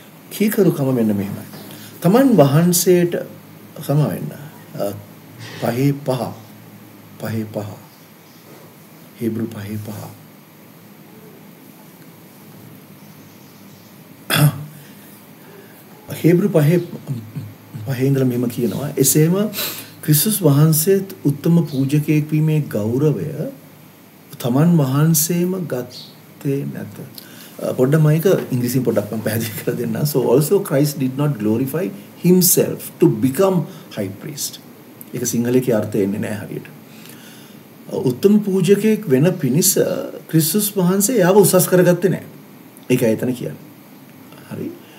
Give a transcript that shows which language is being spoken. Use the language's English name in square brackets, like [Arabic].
[Sinhala] කීකරුකම මෙන්න මෙහෙමයි. තමන් වහන්සේට සමා වෙන්න 5:5 හෙබ්‍රු 5:5 හෙබ්‍රු 5:5 ඉඳලා මෙහෙම කියනවා එසේම ක්‍රිස්තුස් වහන්සේත් උත්තම පූජකයෙක් වීමේ ගෞරවය තමන් වහන්සේම ගත්තේ නැත. පොඩ්ඩක් මම ඒක ඉංග්‍රීසියෙන් පොඩ්ඩක් මම පැහැදිලි කරලා දෙන්නම්. [English] So also Christ did not glorify himself to become high priest. [Sinhala] ඒක සිංහලයේ අර්ථය එන්නේ නැහැ හරියට. උත්තම පූජකයෙක් වෙන පිණිස ක්‍රිස්තුස් වහන්සේ යාව උසස් කරගත්තේ නැහැ. ඒකයි එතන කියන්නේ. හරි.